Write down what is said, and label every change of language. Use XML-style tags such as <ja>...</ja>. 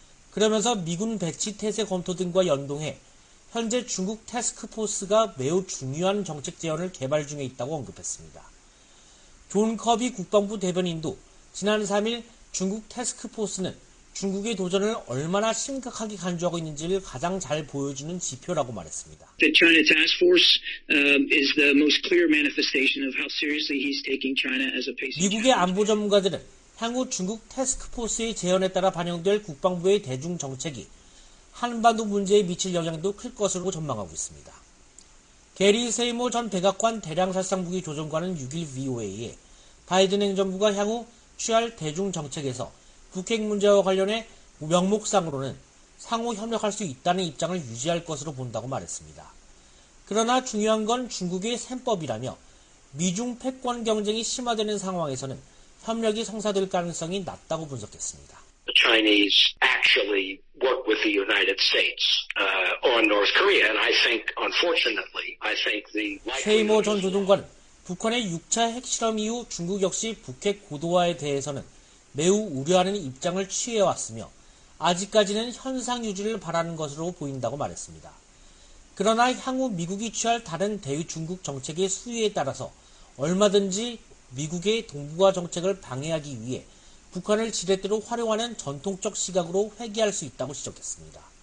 <ko>그러면서 미군 배치 태세 검토 등과 연동해 현재 중국 태스크포스가 매우 중요한 정책 제언을 개발 중에 있다고 언급했습니다. 존 커비 국방부 대변인도 지난 3일 중국 태스크포스는 중국의 도전을 얼마나 심각하게 간주하고 있는지를 가장 잘 보여주는 지표라고 말했습니다.</ko> <en>The China Task Force is the most clear manifestation of how seriously he's taking China as a pacing.</en> <ko>미국의 안보 전문가들은 향후 중국 태스크포스의 제언에 따라 반영될 국방부의 대중 정책이 한반도 문제에 미칠 영향도 클 것으로 전망하고 있습니다. 게리 세이머 전 백악관 대량살상무기 조정관은 6일 VOA에 바이든 행정부가 향후 취할 대중 정책에서 북핵 문제와 관련해 명목상으로는 상호 협력할 수 있다는 입장을 유지할 것으로 본다고 말했습니다. 그러나 중요한 건 중국의 셈법이라며 미중 패권 경쟁이 심화되는 상황에서는 협력이 성사될 가능성이 낮다고 분석했습니다.</ko> <en>The Chinese actually work with the United States on North Korea, and I think, unfortunately, I think the.</en> <ko>세이머 전 조정관은 북한의 6차 핵실험 이후 중국 역시 북핵 고도화에 대해서는 매우 우려하는 입장을 취해왔으며 아직까지는 현상 유지를 바라는 것으로 보인다고 말했습니다. 그러나 향후 미국이 취할 다른 대외 중국 정책의 수위에 따라서 얼마든지 미국의 동북아 정책을 방해하기 위해 북한을 지렛대로 활용하는 전통적 시각으로 회귀할 수 있다고 지적했습니다.</ko>